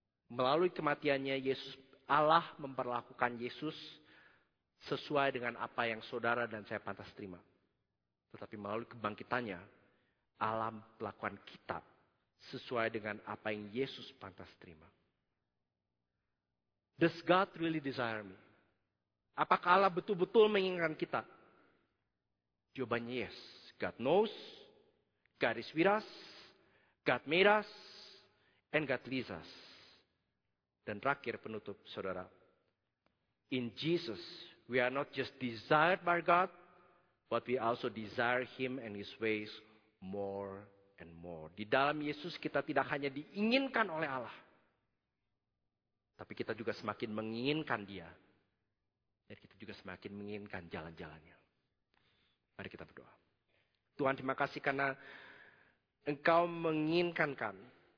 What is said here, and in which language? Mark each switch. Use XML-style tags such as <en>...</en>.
<id>Melalui kematian-Nya, Yesus, Allah memperlakukan Yesus sesuai dengan apa yang saudara dan saya pantas terima. Tetapi melalui kebangkitan-Nya, alam pelakuan kita sesuai dengan apa yang Yesus pantas terima.</id> <en>Does God really desire me?</en> <id>Apakah Allah betul-betul menginginkan kita? Jawabannya yes.</id> <en>God knows, God is with us, God made us, and God leads us.</en> <id>Dan terakhir penutup, saudara.</id> <en>In Jesus, we are not just desired by God, but we also desire Him and His ways more and more.</en> <id>Di dalam Yesus kita tidak hanya diinginkan oleh Allah, tapi kita juga semakin menginginkan Dia. Dan kita juga semakin menginginkan jalan-jalannya. Mari kita berdoa. Tuhan, terima kasih karena Engkau menginginkan kami.</id>